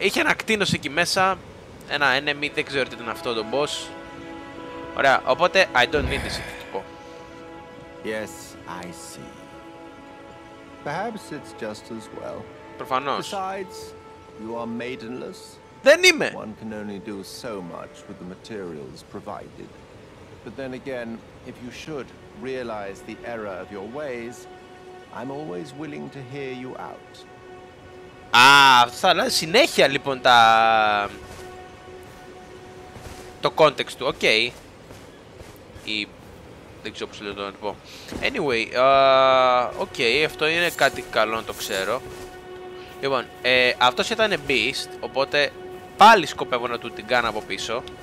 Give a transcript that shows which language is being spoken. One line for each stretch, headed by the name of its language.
Greek: Είχε ένα κτίνος εκεί μέσα. Ένα enemy, δεν ξέρω τι ήταν αυτό το boss. Ωραία, οπότε
English: I don't need a seat. Yes, I see. Perhaps it's just as well.
Greek: Προφανώς.
English: Besides, you are maidenless.
Greek: Δεν είμαι.
English: One can only do so much with the materials provided. But then again, if you should realize the error of your ways, I'm always willing to hear you out.
Greek: Α, θα λέω συνέχεια λοιπόν τα... το context του, ok. Δεν ξέρω πώς λέω το να το πω. Anyway, ok, αυτό είναι κάτι καλό να το ξέρω. Λοιπόν, αυτός ήταν beast, οπότε πάλι σκοπεύω να του την κάνω από πίσω.